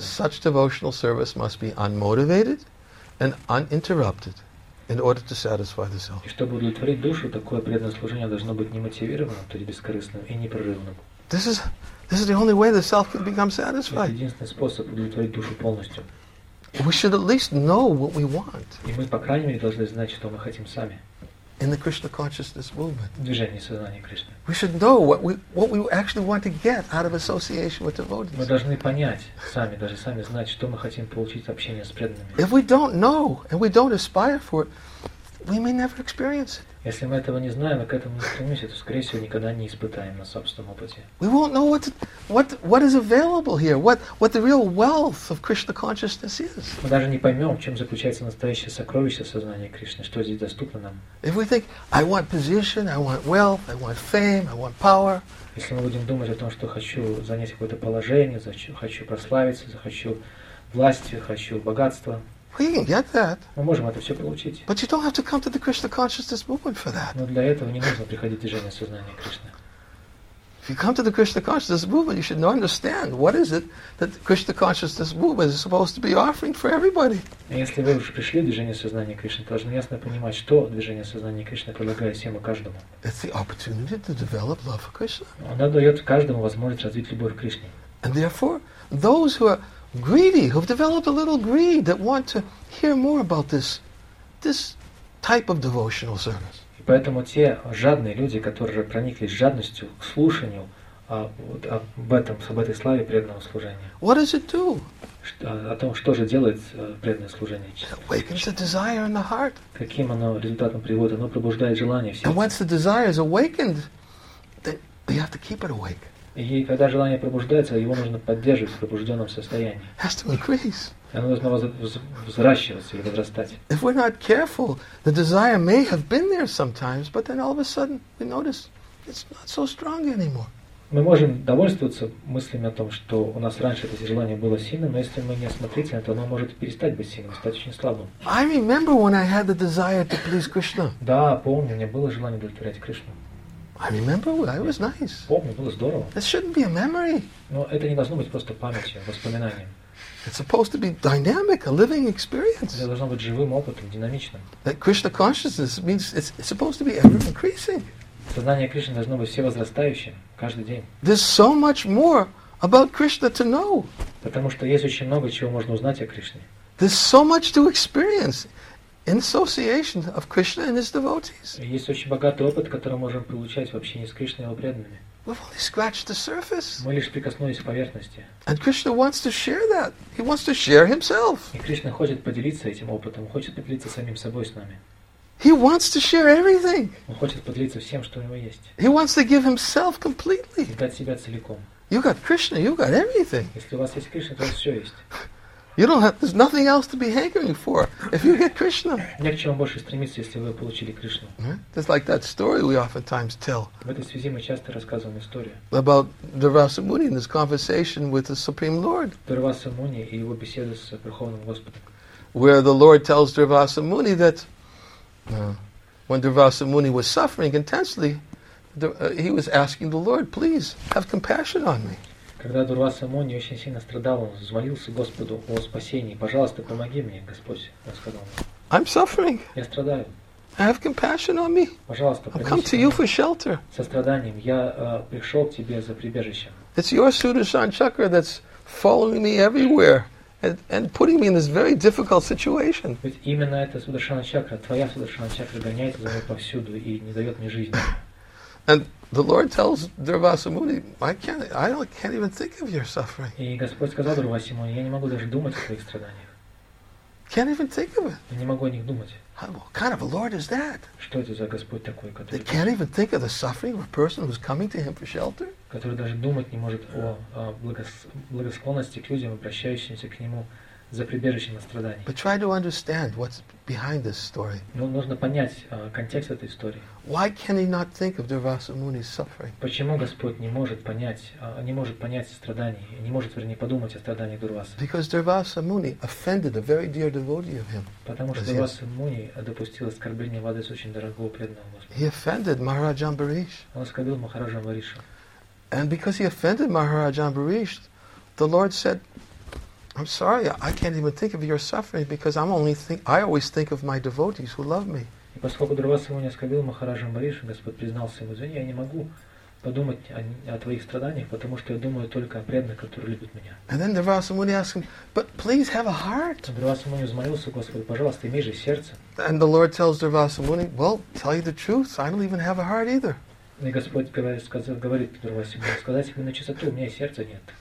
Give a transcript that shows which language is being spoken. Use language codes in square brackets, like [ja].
[en] Such devotional service must be unmotivated and uninterrupted in order to satisfy the self. [ru] И чтобы удовлетворить душу, такое преданное служение должно быть немотивированным, то есть бескорыстным и непрерывным. [en] This is the only way the self can become satisfied. [ru] Это единственный способ удовлетворить душу полностью. [en] We should at least know what we want. [ru] И мы, по крайней мере, должны знать, что мы хотим сами. [en] In the Krishna consciousness movement. [ru] В движении сознания Кришны. [en] We should know what we actually want to get out of association with devotees. [ru] Мы должны понять сами, даже сами знать, что мы хотим получить от общения с преданными. [en] If we don't know and we don't aspire for it, we may never experience it. [ru] Если мы этого не знаем и к этому не стремимся, то, скорее всего, никогда не испытаем на собственном опыте. [en] We won't know what is available here, what the real wealth of Krishna consciousness is. [ru] Мы даже не поймем, в чем заключается настоящее сокровище сознания Кришны, что здесь доступно нам. [en] If we think, I want position, I want wealth, I want fame, I want power. [ru] Если мы будем думать о том, что хочу занять какое-то положение, хочу прославиться, хочу власти, хочу богатства. [en] We can get that. [ru] Мы можем это все получить. [en] But you don't have to come to the Krishna consciousness movement for that. [ru] Но для этого не нужно приходить в движение сознания Кришны. [en] If you come to the Krishna consciousness movement, you should now understand what is it that the Krishna consciousness movement is supposed to be offering for everybody. [ru] Если вы уже пришли в движение сознания Кришны, то должны ясно понимать, что движение сознания Кришны предлагает всем и каждому. [en] It's the opportunity to develop love for Krishna. [ru] Оно дает каждому возможность развить любовь к Кришне. [en] And therefore, those who are greedy, who've developed a little greed, that want to hear more about this type of devotional service. [ru] И поэтому те жадные люди, которые проникли жадностью к слушанию об этом, об этой славе преданного служения. [en] What does it do? [ru] О том, что же делает преданное служение. [en] Awakens the desire in the heart. [ru] Каким оно результатом приводит? Оно пробуждает желание в сердце. [en] And once the desire is awakened, you have to keep it awake. [ru] И когда желание пробуждается, его нужно поддерживать в пробужденном состоянии. [en] Has to increase. [ru] Оно должно взращиваться и возрастать. [en] If we're not careful, the desire may have been there sometimes, but then all of a sudden we notice it's not so strong anymore. [ru] Мы можем довольствоваться мыслями о том, что у нас раньше это желание было сильным, но если мы не осмотрительны, то оно может перестать быть сильным, стать очень слабым. [en] I remember when I had the desire to please Krishna. [ru] Да, помню, у меня было желание удовлетворять Кришну. [en] I remember, I was nice. [ru] Помню, было здорово. [en] It shouldn't be a memory. [ru] Но это не должно быть просто памятью, воспоминанием. [en] It's supposed to be dynamic, a living experience. [ru] Это должно быть живым опытом, динамичным. [en] That Krishna consciousness means it's supposed to be ever increasing. [ru] Сознание Кришны должно быть всевозрастающим каждый день. [en] There's so much more about Krishna to know. [ru] Потому что есть очень много чего можно узнать о Кришне. [en] There's so much to experience in association of Krishna and his devotees. [ru] Есть очень богатый опыт, который можем получать в общении с Кришной и его преданными. [en] We've only scratched the surface. [ru] Мы лишь прикоснулись к поверхности. [en] And Krishna wants to share that. He wants to share himself. [ru] И Кришна хочет поделиться этим опытом, хочет поделиться самим собой с нами. [en] He wants to share everything. [ru] Он хочет поделиться всем, что у него есть. [en] He wants to give himself completely. [ru] И дать себя целиком. [en] You got Krishna, you got everything. [ru] Если у вас есть Кришна, то у вас все есть. [en] You don't have, there's nothing else to be hankering for if you get Krishna. [ru] Не к чему больше стремиться, если вы получили Кришну. [en] It's like that story we oftentimes tell. [ru] В этой связи мы часто рассказываем историю. [en] About Durvasa Muni and his conversation with the Supreme Lord. [ru] Durvasa Muni и его беседа с Верховным Господом. [en] Where the Lord tells Durvasa Muni that when Durvasa Muni was suffering intensely, he was asking the Lord, please have compassion on me. [ru] Когда Дурваса Муни очень сильно страдал, он взмолился Господу о спасении. Пожалуйста, помоги мне, Господь, он сказал. [en] I'm suffering. [ru] Я страдаю. [en] Have compassion on me. [ru] Пожалуйста, [en] I'll come to you for shelter. [ru] Со страданием. Я пришел к тебе за прибежищем. [en] It's your Sudarshan Chakra that's following me everywhere and putting me in this very difficult situation. [ru] Ведь именно эта Сударшана Чакра, твоя Сударшана Чакра гоняет за мной повсюду и не дает мне жизни. [en] And the Lord tells Durvasa Muni, I can't even think of your suffering. [ru] И Господь сказал Дурвасе Муни, я не могу даже думать о твоих страданиях. [en] Can't even think of it. [ru] Я не могу о них думать. [en] What kind of a Lord is that? [ru] Что это за Господь такой, который? [en] They can't even think of the suffering of a person who's coming to him for shelter. [ru] Который даже думать не может о благосклонности к людям, обращающимся к нему за прибежищем от страданий. [en] But try to understand what's behind this story. [ru] Ну, нужно понять контекст этой истории. [en] Why can he not think of Durvasa Muni's suffering? [ru] Почему Господь не может понять страданий, не может, вернее, подумать о страданиях Дурвасы? [en] Because Durvasa Muni offended a very dear devotee of him. [ru] Потому что Дурваса Муни допустил оскорбление в адрес очень дорогого преданного Господа. [en] He offended Maharaj Ambarish. [ru] Он оскорбил Махараджа Амбариша. [en] And because he offended Maharaj Ambarish, the Lord said, I'm sorry, I can't even think of your suffering because I always think of my devotees who love me. [ru] И поскольку Дурваса Муни оскорбил Махараджа Амбариша, Господь признался ему, извини, я не могу подумать о твоих страданиях, потому что я думаю только о преданных, которые любят меня. [en] And then Durvasa Muni asked him, but please have a heart. [ru] Дурваса Муни взмолился Господу, пожалуйста, имей же сердце. [en] And the Lord tells Durvasa Muni, well, tell you the truth, I don't even have a heart either. [ru] И Господь говорит Дурвасе Муни, сказать ему на чистоту, у меня и сердца нет.